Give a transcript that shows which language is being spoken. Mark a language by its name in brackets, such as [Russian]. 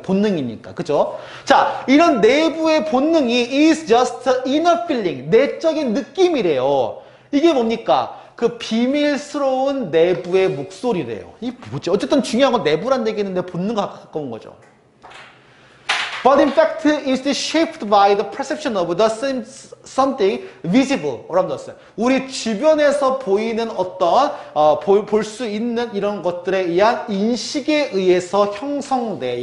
[Korean] 본능이니까. 그죠? 자, 이런 내부의 본능이 [English] is just inner feeling. [Korean] 내적인 느낌이래요. 이게 뭡니까? 그 비밀스러운 내부의 목소리래요. 이게 뭐지? 어쨌든 중요한 건 내부란 얘기인데 본능과 가까운 거죠. [English] But in fact, it is shaped by the perception of the something visible. [Korean] 라고 넣었어요. 우리 주변에서 보이는 어떤, 볼 수 있는 이런 것들에 의한 인식에 의해서 형성돼.